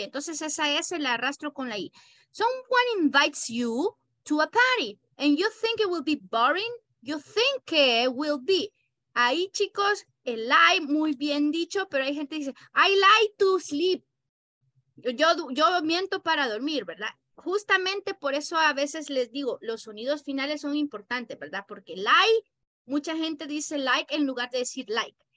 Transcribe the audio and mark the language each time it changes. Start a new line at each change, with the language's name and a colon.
Spanish: Entonces esa S la arrastro con la I.
English: Someone invites you to a party and you think it will be boring. You think it will be.
Spanish: Ahí, chicos, el lie, muy bien dicho, pero hay gente que dice,
English: I lie to sleep.
Spanish: Yo miento para dormir, ¿verdad? Justamente por eso a veces les digo, los sonidos finales son importantes, ¿verdad? Porque lie, mucha gente dice like en lugar de decir like.